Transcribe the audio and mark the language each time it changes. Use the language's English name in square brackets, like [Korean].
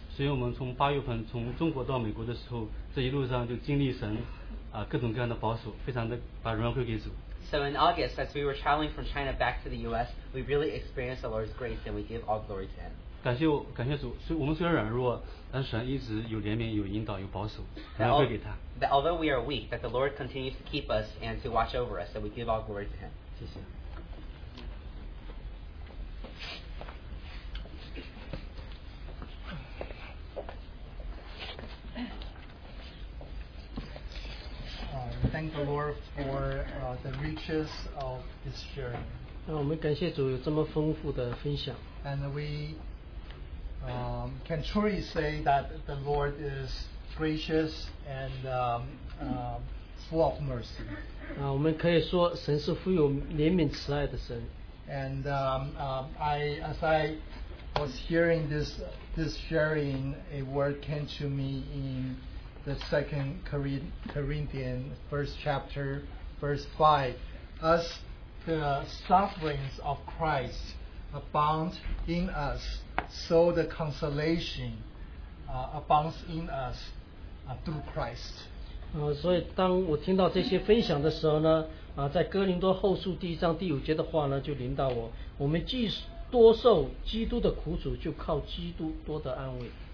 [Chinese] 所以我们从八月份从中国到美国的时候，这一路上就经历神啊各种各样的保守，非常的把荣耀归给主。 [English] So in August, as we were traveling from China back to the U.S., we really experienced the Lord's grace, and we give all glory to Him. [Chinese] 感谢主，所以我们虽然软弱，但是神一直有怜悯、有引导、有保守，荣耀归给他。 [English] That although we are weak, that the Lord continues to keep us and to watch over us, and we give all glory to Him. [Chinese] 谢谢。 [English] Thank the Lord for the riches of this sharing. [Chinese] 那我们感谢主有这么丰富的分享。 [English] And we can truly say that the Lord is gracious and full of mercy. [Chinese] 那我们可以说神是富有怜悯慈爱的神。 [English] And as I was hearing this sharing, a word came to me in the second Corinthians, first chapter, verse 5. As the sufferings of Christ abound in us, so the consolation abounds in us through Christ. [Chinese] 所以当我听到这些分享的时候呢，在哥林多后书第一章第五节的话呢，就领导我，我们既多受基督的苦楚，就靠基督多得安慰。